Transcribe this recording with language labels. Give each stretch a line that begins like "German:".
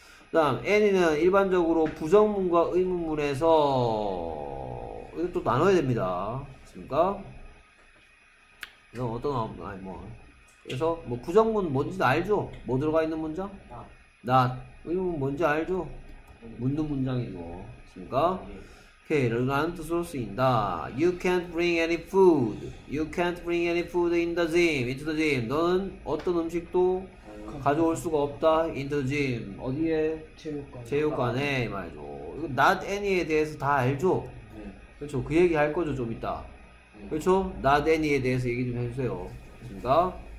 Korean: 그 다음 any는 일반적으로 부정문과 의문문에서 이것도 나눠야 됩니다. 그렇습니까? 그래서 어떤 아니 뭐 그래서 뭐 부정문 뭔지도 알죠? 뭐 들어가 있는 문장? not 의문문 뭔지 알죠? 묻는 문장이고 그렇습니까? 오케이, 라는 뜻으로 쓰인다.
English: You can't bring any food. You can't bring any food in the gym. Into the gym.
Korean: 너는 어떤 음식도 가져올 수가 없다.
English: Into the gym.
Korean: 어디에? 체육관에 말이죠. Not any에 대해서 다 알죠? 그렇죠. 그 얘기 할 거죠, 좀 이따. 그렇죠? Not any에 대해서 얘기 좀 해주세요. 그니까.